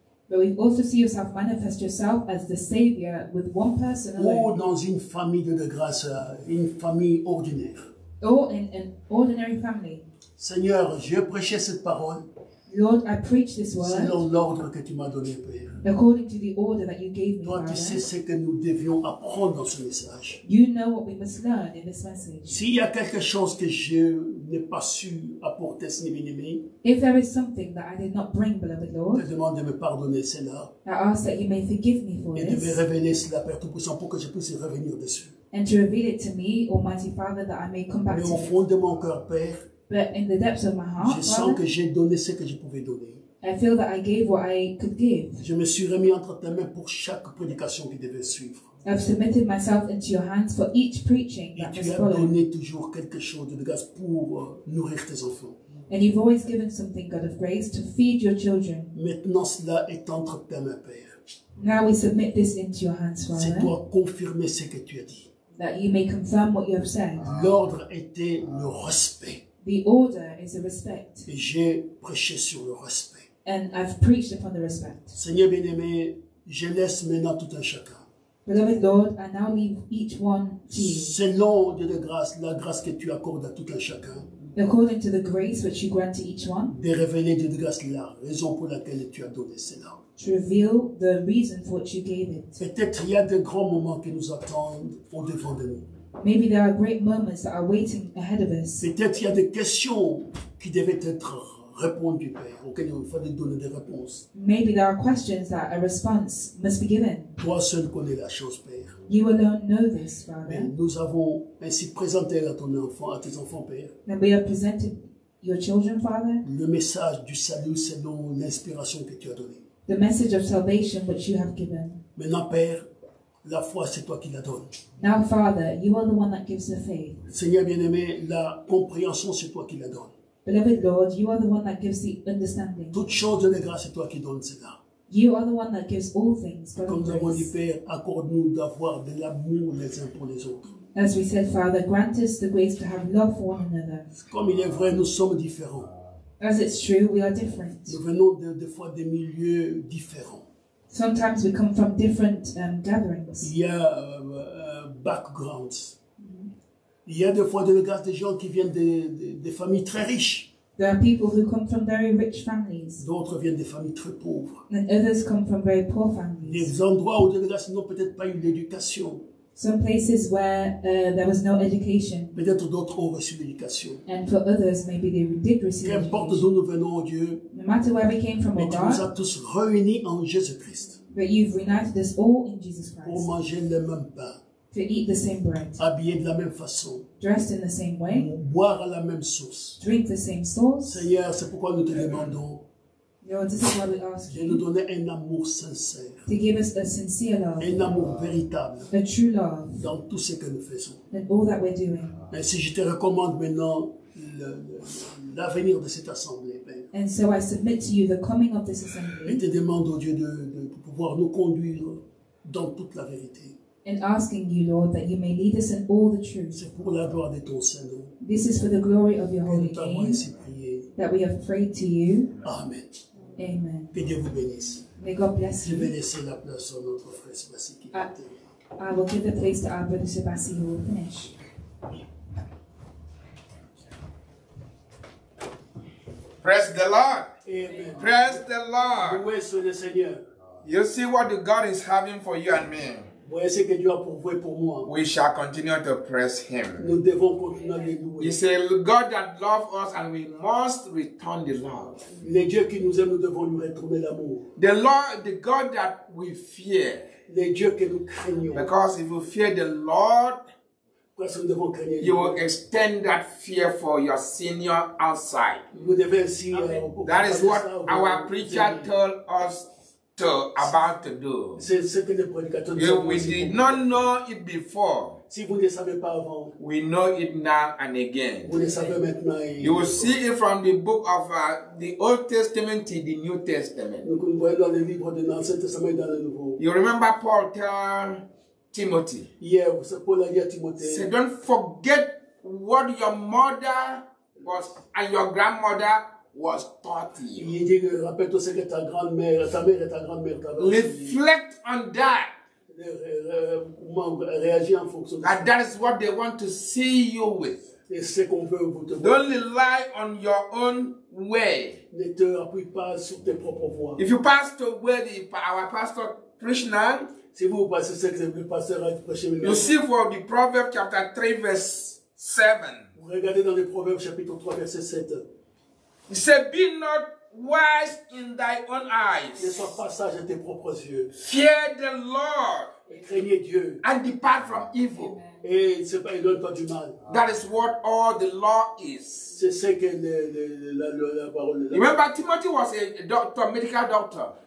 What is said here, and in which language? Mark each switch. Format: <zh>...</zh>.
<en>But we also see yourself manifest yourself as the Savior with one person alone.</en> <fr>Ou dans une famille de grâce, une famille ordinaire.</fr> <en>Or in an ordinary family.</en> <fr>Seigneur, je prêchais cette parole.</fr> <en>Lord, I preach this word.</en> <fr>Selon l'ordre que tu m'as donné, Père.</fr> <en>According to the order that you gave me.</en> <fr>Toi, tu sais ce que nous devions apprendre dans ce message.</fr> <en>You know what we must learn in this message.</en> <fr>S'il y a quelque chose que je n'ai pas su apporter, ce n'est bien aimé.</fr> <en>If there is something that I did not bring, beloved Lord.</en> <fr>Je demande de me pardonner cela.</fr> <en>I ask that you may forgive me for this.</en> <fr>Et de me révéler cela, Père Tout-Puissant, pour que je puisse revenir dessus.</fr> <en>And to reveal it to me, Almighty Father, that I may come back to it.</en> <fr>Mais au fond de mon cœur, Père.</fr> <en>But in the depths of my heart,</en> <fr>je sens que j'ai donné ce que je pouvais donner.</fr> <en>I feel that I gave what I could give.</en> <fr>Je me suis remis entre tes mains pour chaque prédication qui devait suivre.</fr> <en>I've submitted myself into your hands for each preaching that has followed. And you've always given something, God of grace, to feed your children.</en> <fr>Maintenant, cela est entre tes mains, Père.</fr> <en>Now we submit this into your hands, Father.</en> <fr>C'est toi confirmer ce que tu as dit.</fr> <en>That you may confirm what you have said.</en> <fr>L'ordre était le respect.</fr> <en>The order is a respect.</en> <fr>Et j'ai prêché sur le respect.</fr> <en>And I've preached upon the respect.</en> <fr>Seigneur bien-aimé, je laisse maintenant tout un chacun.</fr> <en>Beloved Lord, I now leave each one to you.</en> <fr>Selon Dieu de grâce, la grâce que tu accordes à tout un chacun.</fr> <en>According to the grace which you grant to each one.</en> <fr>De révéler Dieu de grâce la raison pour laquelle tu as donné cela.</fr> <en>To reveal the reason for which you gave it.</en> <fr>Peut-être il y a de grands moments qui nous attendent au devant de nous.</fr> <en>Maybe there are great moments that are waiting ahead of us.</en> <fr>Peut-être il y a des questions qui devaient être répondues, Père, auxquelles il fallait donner des réponses.</fr> <en>Maybe there are questions that a response must be given.</en> <fr>Toi seul connais la chose, Père.</fr> <en>You alone know this, Father.</en> <fr>Mais nous avons ainsi présenté à ton enfant, à tes enfants, Père.</fr> <en>And we have presented your children, Father.</en> <fr>Le message du salut selon l'inspiration que tu as donnée.</fr> <en>The message of salvation which you have given.</en> <fr>Maintenant, Père, la foi, c'est toi qui la donnes.</fr> <en>Now, Father, you are the one that gives the faith.</en> <fr>Seigneur bien-aimé, la compréhension, c'est toi qui la donnes.</fr> <en>Beloved Lord, you are the one that gives the understanding.</en> <fr>Toute chose de grâce, c'est toi qui donnes cela.</fr> <en>You are the one that gives all things.</en> <fr>Comme nous avons dit, Père, accorde-nous d'avoir de l'amour les uns pour les autres.</fr> <en>As we said, Father, grant us the grace to have love for one another.</en> <fr>Comme il est vrai, nous sommes différents.</fr> <en>As it's true, we are different.</en> <fr>Nous venons de fois des milieux différents.</fr> <en>Sometimes we come from different gatherings.</en> <fr>Il y a backgrounds. Mm-hmm. Il y a des fois de grâce des gens qui viennent de familles très riches.</fr> <en>There are people who come from very rich families.</en> <fr>D'autres viennent des familles très pauvres.</fr> <en>And others come from very poor families.</en> <fr>Des endroits où de grâce n'ont peut-être pas eu d'éducation.</fr> <en>Some places where there was no education.</en> <fr>Peut-être d'autres ont reçu l'éducation.</fr> <en>And for others, maybe they did receive</en> <fr>qu'importe education. D'où nous venons, oh Dieu,</fr> <en>no matter where we came from,</en> <fr>mais</fr> <en>oh God,</en> <fr>tu nous as tous réunis en Jésus-Christ.</fr> <en>But you've reunited us all in Jesus Christ.</en> <fr>Pour manger le même pain.</fr> <en>To eat the same bread.</en> <fr>Habillés de la même façon.</fr> <en>Dressed in the same way.</en> <fr>Boire à la même source.</fr> <en>Drink the same source.</en> <fr>Seigneur, c'est pourquoi nous te demandons.</fr> <en>Lord, this is what we ask you.</en> <fr>De nous donner un amour sincère.</fr> <en>To give us a sincere love.</en> <fr>Un amour véritable.</fr> <en>A true love.</en> <fr>Dans tout ce que nous faisons.</fr> <en>In all that we're doing.</en> <fr>Et si je te recommande maintenant l'avenir de cette assemblée, Père.</fr> <en>And so I submit to you the coming of this assembly.</en> <fr>Et te demande, oh Dieu, de pouvoir nous conduire dans toute la vérité.</fr> <en>And asking you, Lord, that you may lead us in all the truth.</en> <fr>C'est pour la gloire de ton Saint-Nom.</fr> <en>This is for the glory of your Holy Name. That we have prayed to you. Amen. Amen.</en> <fr>Que Dieu vous bénisse.</fr> <en>May God bless you.</en> <fr>Je vais laisser la place à notre frère Sébastien qui va terminer.</fr> <en>I will give the place to our brother Sébastien who will finish. Praise the Lord. Amen. Praise the Lord.</en> <fr>Louez soit le Seigneur.</fr> <en>You see what God is having for you and me.</en> <fr>Voyez ce que Dieu a pourvu pour moi.</fr> <en>We shall continue to press him.</en> <fr>Nous devons continuer à le louer.</fr> <en>He said, God that loves us and we must return the love.</en> <fr>Le Dieu qui nous aime, nous devons lui retourner l'amour.</fr> <en>The Lord, the God that we fear.</en> <fr>Le Dieu que nous craignons.</fr> <en>Because if you fear the Lord,</en> <fr>parce que nous devons craindre Dieu.</fr> <en>You will extend that fear for your senior outside.</en> <fr>Vous devez ainsi, okay.</fr> <en>That is what our preacher aimer. Told us. To about to do.</en> <fr>C'est ce que le prédicateur nous a dit.</fr> <en>We did not know it before.</en> <fr>Si vous ne savez pas avant,</fr> <en>we know it now and again.</en> <fr>Vous le savez maintenant.</fr> <en>You will see it from the book of the Old Testament to the New Testament.</en> <fr>Donc vous voyez dans le livre de l'Ancien Testament et dans le Nouveau.</fr> <en>You remember Paul tell Timothy?</en> <fr>Yeah, vous savez Paul a dit à Timothée.</fr> <en>Say, don't forget what your mother was and your grandmother. Was taught you. Reflect on that. And that is what they want to see you with. Don't rely on your own way. If you pass to where our pastor preached now, you see for the Proverbs chapter 3, verse 7.</en> <fr>Regardez dans les Proverbes chapitre 3, verset 7.</fr> <en>He said, be not wise in thy own eyes.</en> <fr>Ne sois pas sage à tes propres yeux.</fr> <en>Fear the Lord.</en> <fr>Et craignez Dieu.</fr> <en>And depart from evil.</en> <fr>Amen. Et ne donne pas du mal.</fr> <en>That is what all the law is.</en> <fr>C'est ce que la parole de la</fr> <en>Remember, Timothy was a doctor, medical doctor.</en>